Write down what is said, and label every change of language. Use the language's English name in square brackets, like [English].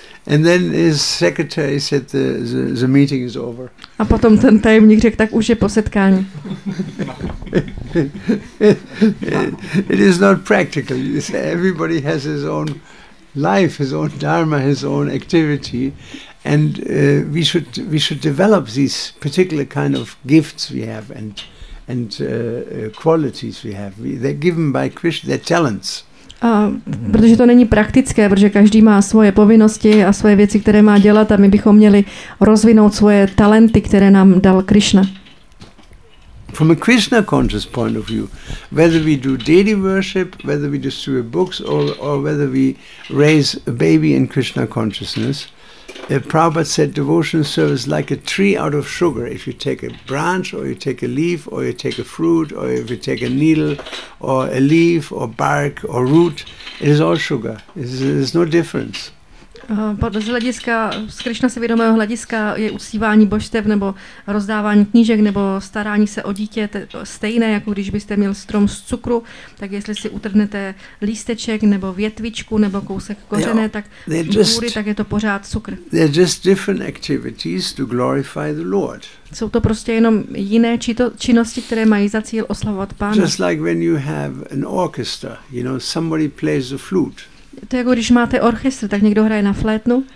[English] And then his secretary said the meeting is over. [Czech] A potom ten tajemník řekl, tak už je po setkání. [English] It is not practical. Everybody has his own life, his own dharma, his own activity, and we should develop these particular kind of gifts we have and qualities we have. They're given by Krishna, they're talents. [Czech] Protože to není praktické, protože každý má svoje povinnosti a svoje věci, které má dělat a my bychom měli rozvinout svoje talenty, které nám dal Krishna. [English] From a Krishna conscious point of view, whether we do deity worship, whether we distribute books or whether we raise a baby in Krishna consciousness, Prabhupada said devotion service like a tree out of sugar. If you take a branch or you take a leaf or you take a fruit or if you take a needle or a leaf or bark or root, it is all sugar. There's no difference. [Czech] Z hlediska, z Krišna se vědomého hlediska je usívání božstev nebo rozdávání knížek nebo starání se o dítě stejné, jako když byste měl strom z cukru, tak jestli si utrhnete lísteček nebo větvičku nebo kousek kořené, tak kůry, tak je to pořád cukr. [English] They're just different activities to glorify the Lord. [Czech] Jsou to prostě jenom jiné činnosti, které mají za cíl oslavovat Pána. [English] Just like when you have an orchestra, you know, somebody plays the flute. [Czech] To je jako když máte orchestr, tak někdo hraje na flétnu.